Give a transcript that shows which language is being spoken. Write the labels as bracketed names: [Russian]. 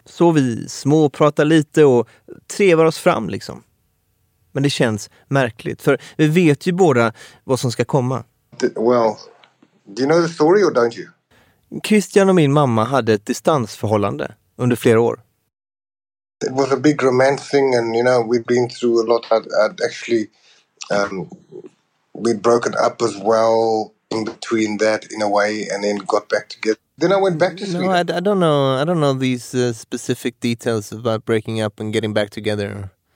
[Swedish] Så vi småpratar lite och trevar oss fram liksom. Men det känns märkligt för vi vet ju båda vad som ska komma. [English] Well, do you know the story or don't you? [Swedish] Christian och min mamma hade ett distansförhållande under flera år. [English] It was a big romance thing and you know we've been through a lot. I'd actually we'd broken up as well in between that in a way and then got back together. Then I went back to Sweden. No, I don't know. I don't know these specific details about breaking up and getting back together.